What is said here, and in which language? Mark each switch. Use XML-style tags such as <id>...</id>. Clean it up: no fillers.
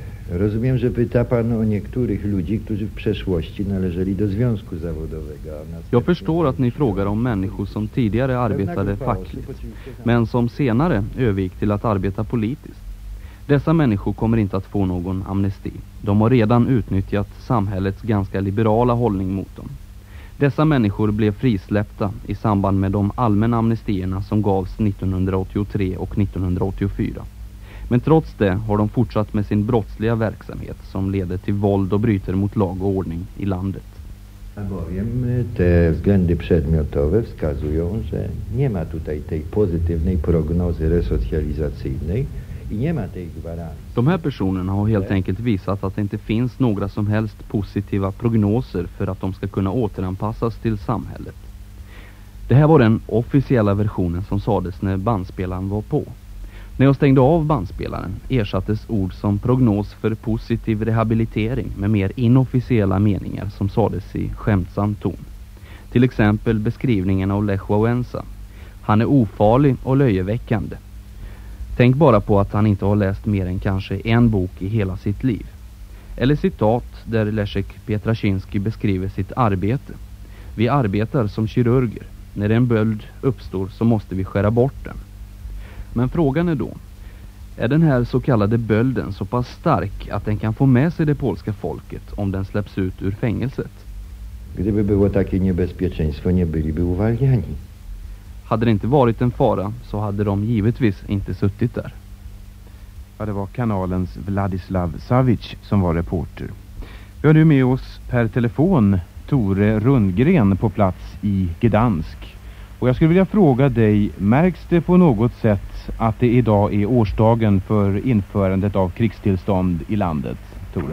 <pl>Rozumiem, że pyta pan o niektórych ludzi, którzy w przeszłości należeli do związku zawodowego.</pl> <sv>Jag förstår att ni frågar om människor som tidigare arbetade fackligt, men som senare övergick till att arbeta politiskt. Dessa människor kommer inte att få någon amnesti. De har redan utnyttjat samhällets ganska liberala hållning mot dem. Dessa människor blev frisläppta i samband med de allmänna amnestierna som gavs 1983 och 1984. Men trots det har de fortsatt med sin brottsliga verksamhet som leder till våld och bryter mot lag och ordning i landet.</sv> <pl>A bowiem te względy przedmiotowe wskazują, że nie ma tutaj tej pozytywnej prognozy resocjalizacyjnej i nie ma tej gwarancji.</pl> <sv>De här personerna har helt enkelt visat att det inte finns några som helst positiva prognoser för att de ska kunna återanpassas till samhället. Det här var den officiella versionen som sades när bandspelaren var på. När jag stängde av bandspelaren ersattes ord som prognos för positiv rehabilitering med mer inofficiella meningar som sades i skämtsam ton. Till exempel beskrivningen av Lech Wałęsa. Han är ofarlig och löjeväckande. Tänk bara på att han inte har läst mer än kanske en bok i hela sitt liv. Eller citat där Leszek Pietraszynski beskriver sitt arbete. Vi arbetar som kirurger. När en böld uppstår så måste vi skära bort den. Men frågan är då, är den här så kallade bölden så pass stark att den kan få med sig det polska folket om den släpps ut ur fängelset?</sv> <pl>Gdyby było takie niebezpieczeństwo, nie byliby uwalniani.</pl> <sv>Hade det inte varit en fara så hade de givetvis inte suttit där. Ja, det var kanalens Vladislav Savic som var reporter. Vi har nu med oss per telefon Tore Rundgren på plats i Gdansk. Och jag skulle vilja fråga dig, märks det på något sätt att det idag är årsdagen för införandet av krigstillstånd i landet, Tore?</sv>